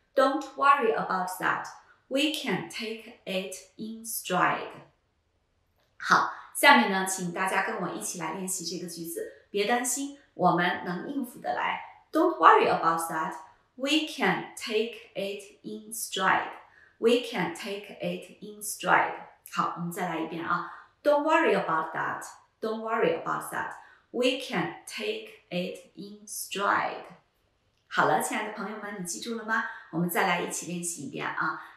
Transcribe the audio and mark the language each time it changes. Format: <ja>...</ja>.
<en>Don't worry about that， we can take it in stride。</en> <zh>好，下面呢请大家跟我一起来练习这个句子，别担心，我们能应付得来。</zh> <en>Don't worry about that， we can take it in stride，We can take it in stride。</en> <zh>好，我们再来一遍啊。</zh> <en>Don't worry about that， Don't worry about that， We can take it in stride。</en> <zh>好了，亲爱的朋友们，你记住了吗？我们再来一起练习一遍啊。</zh>